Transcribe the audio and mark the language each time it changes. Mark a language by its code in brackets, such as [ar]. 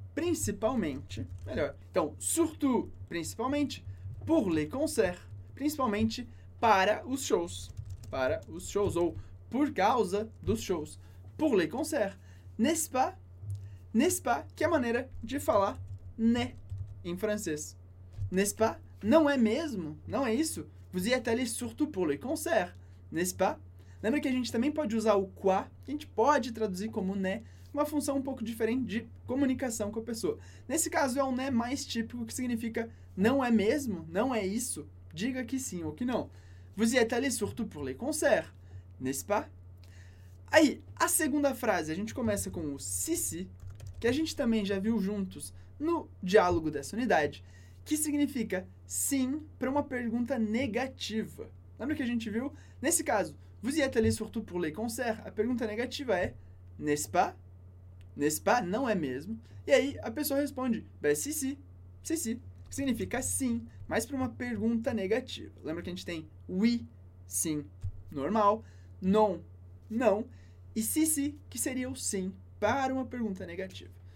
[pt] principalmente. Melhor. Então, surtout, principalmente, [fr] pour les concerts. [pt] Principalmente para os shows. Para os shows. Ou por causa dos shows. [fr] Pour les concerts. N'est-ce pas? N'est-ce pas? [pt] Que é a maneira de falar né em francês. [fr] N'est-ce pas? [pt] Não é mesmo? Não é isso? [fr] Vous y êtes allé surtout pour les concerts. N'est-ce pas? [pt] Lembra que a gente também pode usar o quoi, que a gente pode traduzir como né, uma função um pouco diferente de comunicação com a pessoa. Nesse caso é o né mais típico, que significa não é mesmo? Não é isso? Diga que sim ou que não. [fr] Vous y êtes allé surtout pour les concerts. N'est-ce pas? [pt] Aí, a segunda frase, a gente começa com o si, que a gente também já viu juntos no diálogo dessa unidade, que significa sim para uma pergunta negativa. Lembra que a gente viu? Nesse caso, [fr] vous y êtes allé surtout pour les concerts? [pt] A pergunta negativa é, [fr] n'est-ce pas? N'est-ce pas? [pt] Não é mesmo? E aí, a pessoa responde, [fr] ben, si, [pt] que significa sim, mas para uma pergunta negativa. Lembra que a gente tem oui, sim, normal, non, não, e si, que seria o sim para uma pergunta negativa.